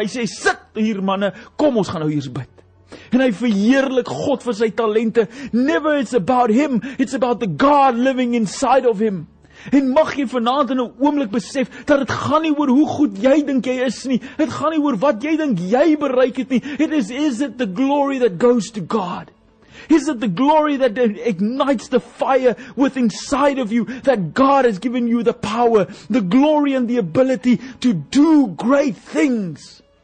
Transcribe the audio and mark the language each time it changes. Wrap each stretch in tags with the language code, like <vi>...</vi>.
<af>Hy sê, sit hier manne, kom ons gaan nou hier bid. En hy verheerlik God vir sy talente.</af> <en>Never it's about him. It's about the God living inside of him.</en> <af>En mag jy vanaand in 'n oomblik besef dat dit gaan nie oor hoe goed jy dink jy is nie. Dit gaan nie oor wat jy dink jy bereik het nie.</af> <en>It is it the glory that goes to God. Is it the glory that ignites the fire with inside of you that God has given you the power, the glory and the ability to do great things?</en>